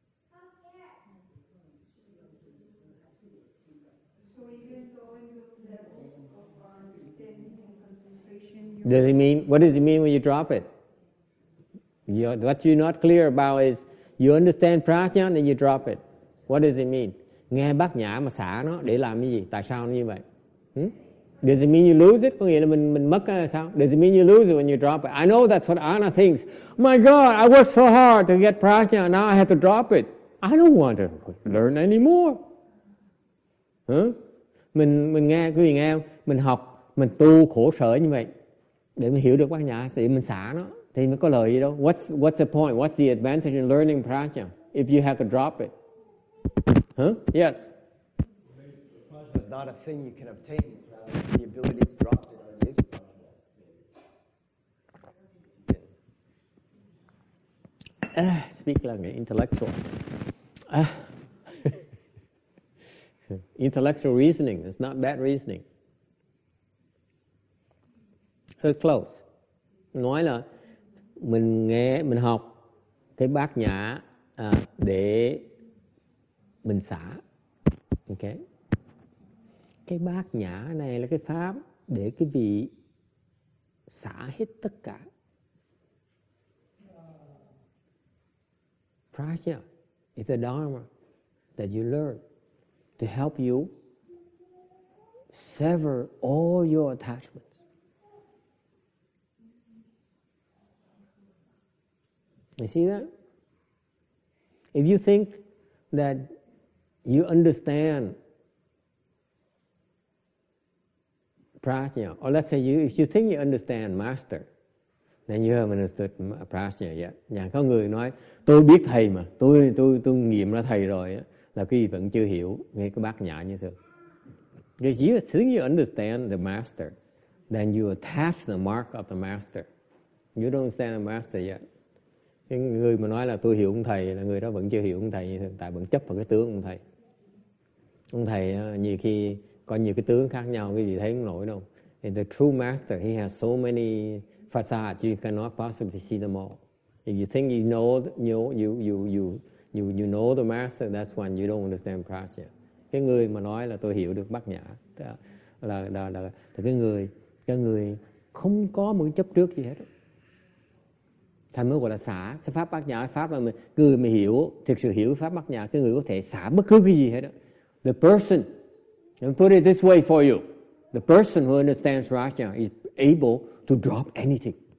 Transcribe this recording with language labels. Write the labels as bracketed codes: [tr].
[en] So even though in those levels of our understanding and Does it mean, what does it mean when you drop it? What you're not clear about is you understand prajna and you drop it. What does it mean? [vi] Nghe bát nhã mà xả nó để làm cái gì? Tại sao nó như vậy? [en] Does it mean you lose it? [vi] Có nghĩa là mình mất cái sao? [en] Does it mean you lose it when you drop it? I know that's what Anna thinks. My God, I worked so hard to get prajna, now I have to drop it. I don't want to learn anymore. [vi] Mình nghe, quý vị nghe không? Mình học, mình tu khổ sở như vậy để mình hiểu được bát nhã, thì mình xả nó thì nó có lợi gì đâu. [en] What's the point? What's the advantage in learning prajna if you have to drop it? Yes. It's not a thing you can obtain. The ability to drop it is prajna. Speak like an intellectual. Intellectual reasoning. It's not bad reasoning. [vi] Hơi close. Nói là mình nghe, mình học cái bát nhã để mình xả. Ok. Cái bát nhã này là cái pháp để cái vị xả hết tất cả. [en] Prajna is a dharma that you learn to help you sever all your attachments. You see that? If you think that you understand prajna, or let's say you, if you think you understand master, then you haven't understood prajna yet. [vi] Nhà có người nói, tôi biết thầy mà, tôi nghiệm ra thầy rồi á. Là quý vị vẫn chưa hiểu nghe cái bát nhã như thế. [en] If you think you understand the master, then you attach the mark of the master. You don't understand the master yet. [vi] Cái người mà nói là tôi hiểu ông thầy là người đó vẫn chưa hiểu ông thầy, tại vẫn chấp vào cái tướng ông thầy. Ông thầy nhiều khi có nhiều cái tướng khác nhau, quý vị thấy không nổi đâu. [en] And the true master, he has so many facades, you cannot possibly see them all. If you think you know the master, that's when you don't understand prajna. [vi] Cái người mà nói là tôi hiểu được bát nhã là cái người không có một chấp trước gì hết. Thành mới gọi là xả. Cái pháp bát nhã, pháp là người mà hiểu, thực sự hiểu pháp bát nhã, cái người có thể xả bất cứ cái gì hết. The person, let me put it this way for you. The person who understands prajna is able to drop anything.